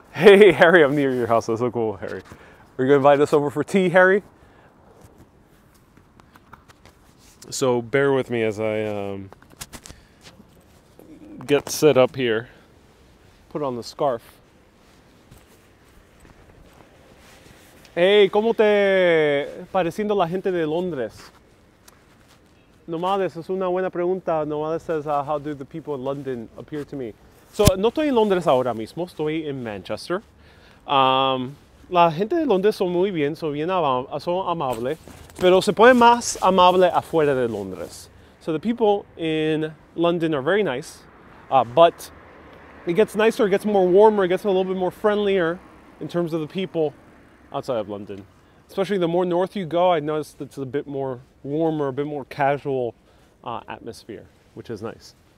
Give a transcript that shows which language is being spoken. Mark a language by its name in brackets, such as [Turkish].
[English] Hey, Harry, I'm near your house. That's so cool, Harry. Are you gonna invite us over for tea, Harry? So bear with me as I get set up here, put on the scarf. [Spanish] Hey, ¿cómo te pareciendo la gente de Londres? Nomades, es una buena pregunta. [English] Nomades says, how do the people in London appear to me? [Spanish] So no estoy en Londres ahora mismo, estoy en Manchester. La gente de Londres son muy bien, son amables, pero se pone más amable afuera de Londres. [English] So the people in London are very nice, but it gets nicer, it gets more warmer, it gets a little bit more friendlier in terms of the people outside of London. Especially the more north you go, I noticed it's a bit more warmer, a bit more casual atmosphere, which is nice.